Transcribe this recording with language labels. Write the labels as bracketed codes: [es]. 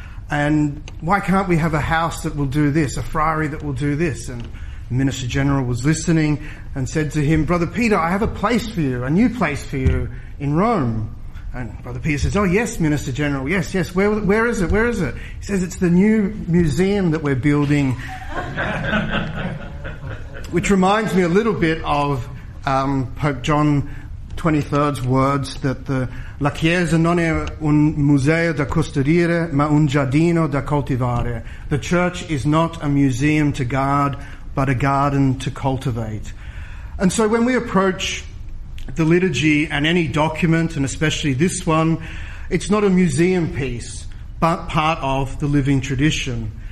[en] And why can't we have a house that will do this, a friary that will do this? And the Minister General was listening and said to him, Brother Peter, I have a place for you, a new place for you in Rome. And Brother Peter says, oh, yes, Minister General, yes, yes. Where is it? Where is it? He says, it's the new museum that we're building. Which reminds me a little bit of Pope John XXIII's words that [it] la Chiesa non è un museo da custodire, ma un giardino da coltivare. [en] The church is not a museum to guard, but a garden to cultivate. And so when we approach the liturgy and any document, and especially this one, it's not a museum piece, but part of the living tradition.